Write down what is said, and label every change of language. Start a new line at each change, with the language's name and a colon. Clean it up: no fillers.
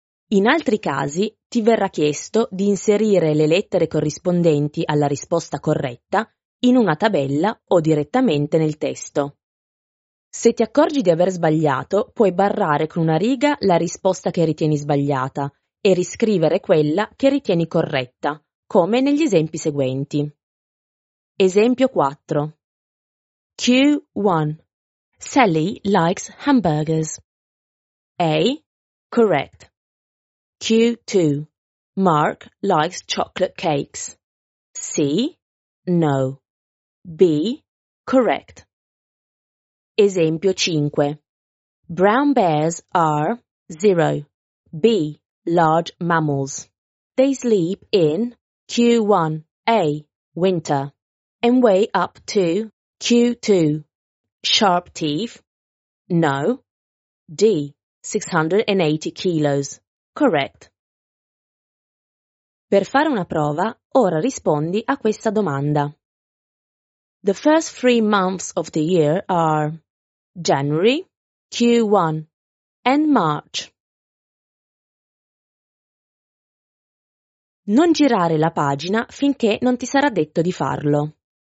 Italian: In altri casi ti verrà chiesto di inserire le lettere corrispondenti alla risposta corretta in una tabella o direttamente nel testo. Se ti accorgi di aver sbagliato, puoi barrare con una riga la risposta che ritieni sbagliata e riscrivere quella che ritieni corretta, come negli esempi seguenti. Esempio 4. Q1.
English: Sally likes hamburgers. A. Correct. Q2. Mark likes chocolate cakes. C. No. B. Correct. Esempio 5. Brown bears are 0. B. Large mammals. They sleep in Q1. A. Winter. And weigh up to Q2. Sharp teeth. No. D. 680 kilos. Correct.
Italian: Per fare una prova, ora rispondi a questa domanda.
English: The first 3 months of the year are January, Q1, and march.
Italian: Non girare la pagina finché non ti sarà detto di farlo.